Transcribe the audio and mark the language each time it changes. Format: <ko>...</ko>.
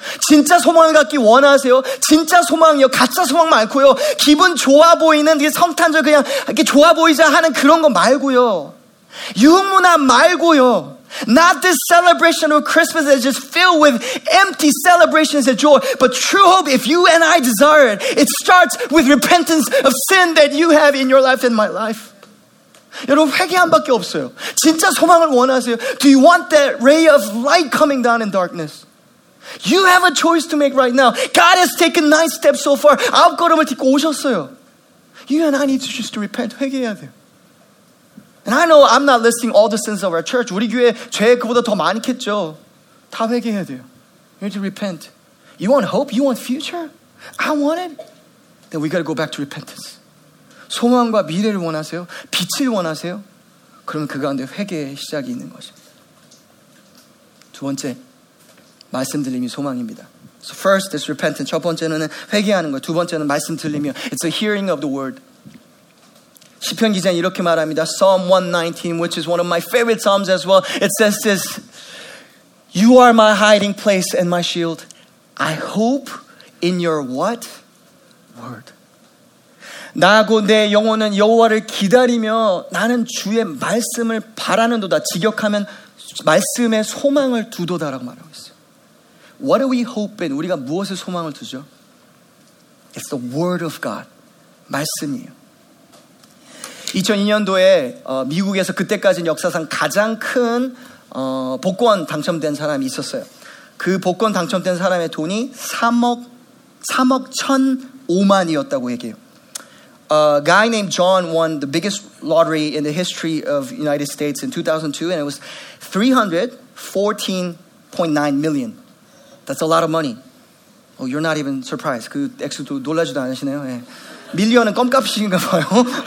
<ko>진짜 소망을 갖기 원하세요? 진짜 소망이요? 가짜 소망 말고요. 기분 좋아 보이는 이게 성탄절 그냥 이렇게 좋아 보이자 하는 그런 거 말고요. 유흥문화 말고요.</ko> <en>Not this celebration of Christmas that is just filled with empty celebrations and joy, but true hope if you and I desire it. It starts with repentance of sin that you have in your life and my life.</en> <ko>여러분 회개 한 밖에 없어요. 진짜 소망을 원하세요?</ko> <en>Do you want that ray of light coming down in darkness? You have a choice to make right now. God has taken 9 steps so far.</en> <ko>9 걸음을 딛고 오셨어요.</ko> <en>You and I need to just repent.</en> <ko>회개해야 돼요.</ko> <en>And I know I'm not listing all the sins of our church.</en> <ko>우리 교회 죄 그보다 더 많겠죠. 다 회개해야 돼요.</ko> <en>You need to repent. You want hope? You want future? I want it. Then we got to go back to repentance.</en> <ko>소망과 미래를 원하세요? 빛을 원하세요? 그러면 그 가운데 회개의 시작이 있는 것입니다. 두 번째. 말씀 들림이 소망입니다.</ko> <en>So first, this repentance.</en> <ko>첫 번째는 회개하는 거. 두 번째는 말씀 들림이요.</ko> <en>It's a hearing of the word.</en> <ko>시편 기자는 이렇게 말합니다.</ko> <en>Psalm 119, which is one of my favorite psalms as well. It says this. You are my hiding place and my shield. I hope in your what? Word.</en> <ko>나 곧 내 영혼은 여호와를 기다리며 나는 주의 말씀을 바라는도다. 직역하면 말씀의 소망을 두도다라고 말하고 있어요.</ko> <en>What do we hope in?</en> <ko>우리가 무엇에 소망을 두죠?</ko> <en>It's the word of God.</en> <ko>말씀이에요. 2002년도에 미국에서 그때까지는 역사상 가장 큰 복권 당첨된 사람이 있었어요. 그 복권 당첨된 사람의 돈이 3억 1,005만이었다고 얘기해요.</ko> <en>A guy named John won the biggest lottery in the history of the United States in 2002 and it was $314.9 million. That's a lot of money. Oh, you're not even surprised.</en> <ko>그 액수도 놀라지도 않으시네요. 예. 밀리언은 껌값인가 봐요.</ko>